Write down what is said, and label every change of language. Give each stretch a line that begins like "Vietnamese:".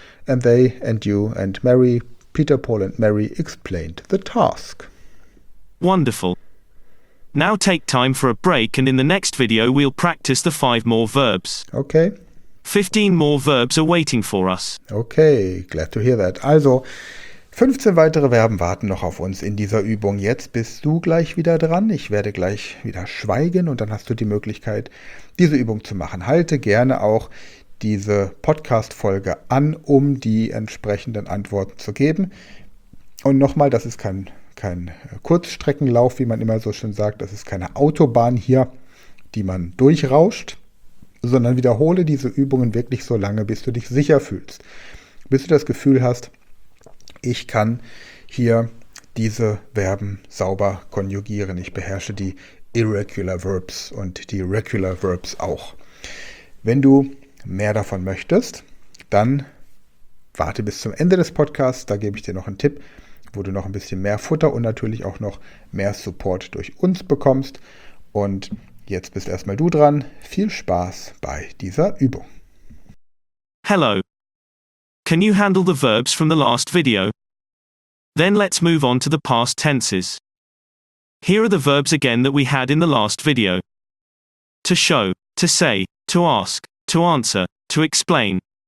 English: And they, and you, and Mary, Peter, Paul, and Mary explained the task. Wonderful. Now take time for a break and in the next video we'll practice the 5 more verbs. Okay. 15 more verbs are waiting for us. Okay, glad to hear that.
German: Also, 15 weitere Verben warten noch auf uns in dieser Übung. Jetzt bist du gleich wieder dran. Ich werde gleich wieder schweigen und dann hast du die Möglichkeit, diese Übung zu machen. Halte gerne auch diese Podcast-Folge an, um die entsprechenden Antworten zu geben. Und nochmal, das ist kein Kurzstreckenlauf, wie man immer so schön sagt. Das ist keine Autobahn hier. die man durchrauscht, sondern wiederhole diese Übungen wirklich so lange, bis du dich sicher fühlst. Bis du das Gefühl hast, ich kann hier diese Verben sauber konjugieren. Ich beherrsche die Irregular Verbs und die Regular Verbs auch. Wenn du mehr davon möchtest, dann warte bis zum Ende des Podcasts. Da gebe ich dir noch einen Tipp, wo du noch ein bisschen mehr Futter und natürlich auch noch mehr Support durch uns bekommst. Und jetzt bist erstmal du dran. Viel Spaß bei dieser Übung.
English: Hello. Can you handle the verbs from the last video? Then let's move on to the past tenses. Here are the verbs again that we had in the last video. To show, to say, to ask, to answer, to explain.